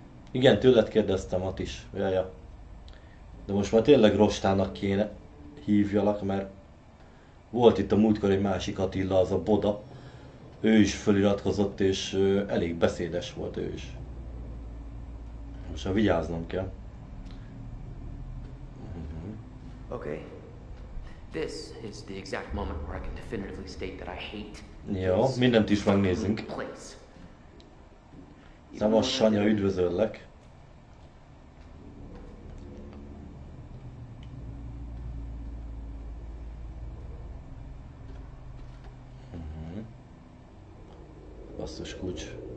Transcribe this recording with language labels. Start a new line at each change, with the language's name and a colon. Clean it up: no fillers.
Hungarian: Igen, tőled kérdeztem ott is. Ja. De most már tényleg Rostának kéne hívjalak, mert volt itt a múltkor egy másik Attila, az a Boda. Ő is feliratkozott, és elég beszédes volt ő is. Most már vigyáznom kell.
English: Okay. This is the exact moment where I can definitively state that I hate
Hungarian: Jó,
English: this
Hungarian: mindent is megnézünk.
English: place.
Hungarian: Szevasz, Sanya, üdvözöllek! Basszus kulcs.